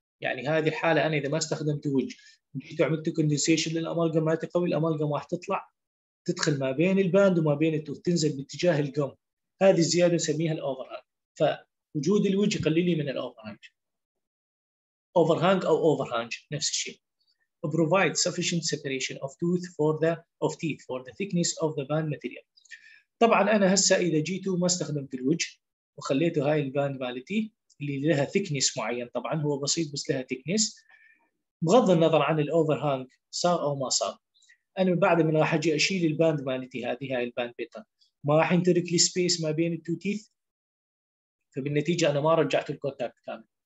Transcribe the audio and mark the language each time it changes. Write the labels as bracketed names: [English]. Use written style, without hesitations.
[Arabic] يعني هذه الحاله انا اذا ما استخدمت وج جيت وعملت كوندنسيشن للامالجام ما تقوي الامالجام راح تطلع تدخل ما بين الباند وما بين التوث تنزل باتجاه الجم. هذه الزياده نسميها الاوفر هانج. فوجود الوجه يقلل لي من الاوفر هانج. اوفر هانج او اوفر هانج نفس الشيء. [English] Provide sufficient separation of tooth for the of teeth for the thickness of the band material. [Arabic] طبعا انا هسه اذا جيت وما استخدمت الوجه وخليته هاي الباند مالتي اللي لها ثيكنس معين، طبعا هو بسيط بس لها ثيكنس. بغض النظر عن الاوفر هانج صار او ما صار. انا بعد من راح اجي اشيل الباند مالتي هذه هاي الباند بيتا ما راح ينترك لي سبيس ما بين التو تيث، فبالنتيجه انا ما رجعت الكونتاكت كامل.